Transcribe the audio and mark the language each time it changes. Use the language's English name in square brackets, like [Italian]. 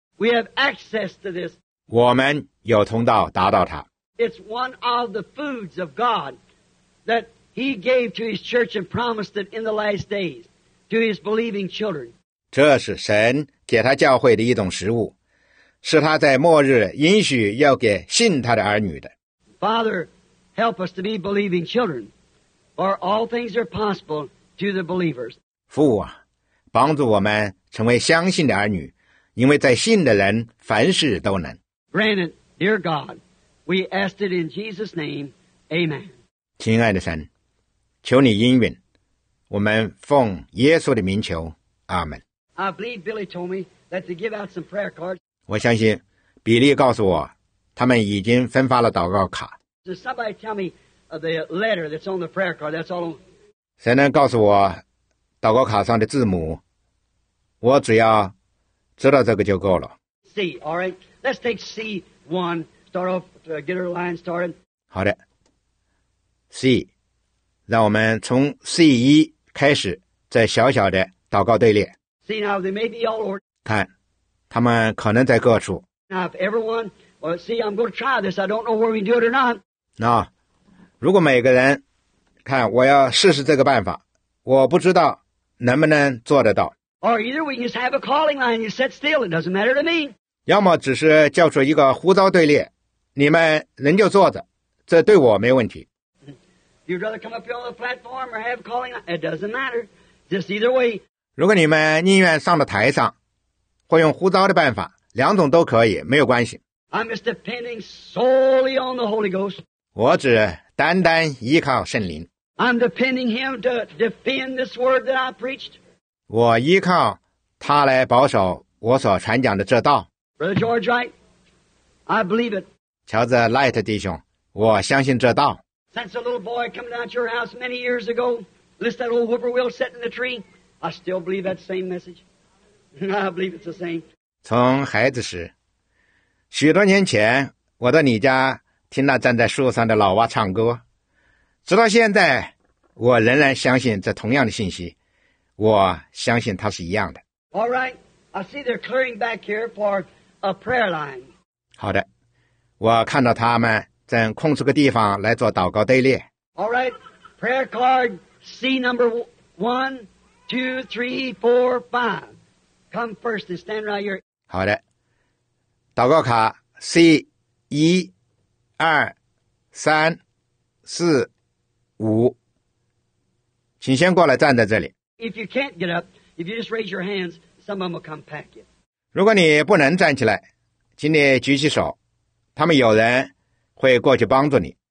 [English] We have access to this. [Chinese] 我们有通道达到它。 [English] It's one of the foods of God that He gave to His church and promised it in the last days to His believing children. [Chinese] 这是神给他教会的一种食物，是他在末日应许要给信他的儿女的。 [English] Father, help us to be believing children, for all things are possible to the believers. [Chinese] 父啊，帮助我们成为相信的儿女，因为在信的人凡事都能。 [English] Grant it, dear God, we ask it in Jesus' name, Amen. [Chinese] 亲爱的神，求你应允，我们奉耶稣的名求，阿门。 [English] I believe Billy told me that to give out some prayer cards. [Chinese] 我相信比利告诉我，他们已经分发了祷告卡。 [English] So somebody tell me the letter that's on the prayer card. That's all. [Chinese] 谁能告诉我祷告卡上的字母？我只要知道这个就够了。 [English] C, all right. Let's take C1. Start off to get our line started. [Chinese] 好的。 C, 让我们从 C1 开始，这小小的祷告队列。 [English] See now, they may be all over. [Chinese] 看，他们可能在各处。 [English] Now, if everyone, well, see, I'm going to try this. I don't know where we do it or not. [Chinese] 那，如果每个人，看，我要试试这个办法，我不知道能不能做得到。 [English] Or either we just have a calling line, you sit still, it doesn't matter to me. [Chinese] 要么只是叫出一个呼召队列，你们仍旧坐着，这对我没问题。 [English] You'd rather come up here on the platform or have a calling line, it doesn't matter. Just either way. [Chinese] 如果你们宁愿上到台上，或用呼召的办法，两种都可以，没有关系。 [English] I'm just depending solely on the Holy Ghost. [Chinese] 我只单单依靠圣灵。 [English] I'm depending Him to defend this word that I preached. [Chinese] 我依靠他来保守我所传讲的这道。 [English] Brother George Wright, I believe it. [Chinese] 乔治·赖特弟兄，我相信这道。 [English] Since a little boy coming out your house many years ago, list that old whippoorwill set in the tree. I still believe that same message. I believe it's the same. [Chinese] 从孩子时，许多年前，我到你家听那站在树上的老蛙唱歌，直到现在，我仍然相信这同样的信息。我相信它是一样的。 [English] All right, I see they're clearing back here for a prayer line. [Chinese] 好的，我看到他们正空出个地方来做祷告队列。 [English] All right, prayer card C number one. 2, 3, 4, 5. Come first and stand right here. [Chinese] 好的。祷告卡 C1, 2, 3, 4, 5. 请先过来站在这里。 [English] If you can't get up, if you just raise your hands, some of them will come pack you. [Chinese] 如果你不能站起来，请你举起手，他们有人会过去帮助你。